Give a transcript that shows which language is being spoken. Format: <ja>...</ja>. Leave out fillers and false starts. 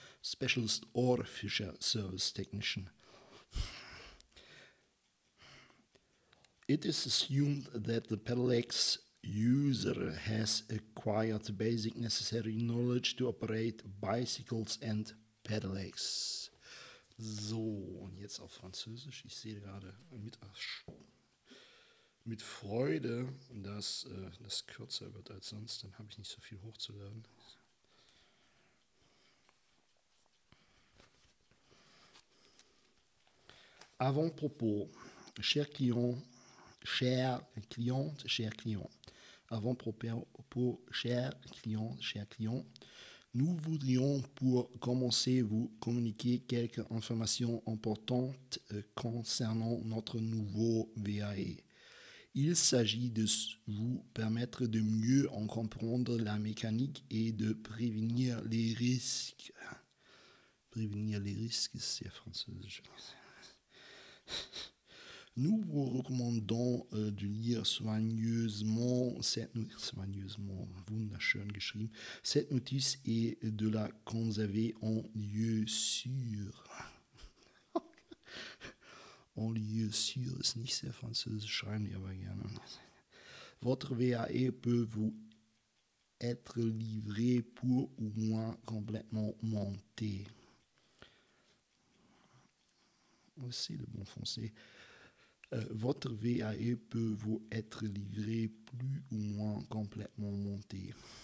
<en>Specialist or Fischer service technician. It is assumed that the Pedelec user has acquired the basic necessary knowledge to operate bicycles and Pedelecs.</en> <de>So, und jetzt auf Französisch. Ich sehe gerade mit Freude, dass das kürzer wird als sonst, dann habe ich nicht so viel hochzuladen.</de> <fr>Avant-propos, cher client, nous voudrions pour commencer vous communiquer quelques informations importantes concernant notre nouveau VAE. Il s'agit de vous permettre de mieux en comprendre la mécanique et de prévenir les risques. Prévenir les risques, c'est français. Nous vous recommandons de lire soigneusement soigneusement,</fr> <de>wunderschön geschrieben,</de> <fr>cette notice et de la conserver en lieu sûr. En lieu sûr, c'est</fr> <de>nicht sehr französisch, rein, aber gerne.</de> <fr>Votre VAE peut vous être livré pour ou moins complètement monté. C'est le bon français. Votre VAE peut vous être livré plus ou moins complètement monté.</fr>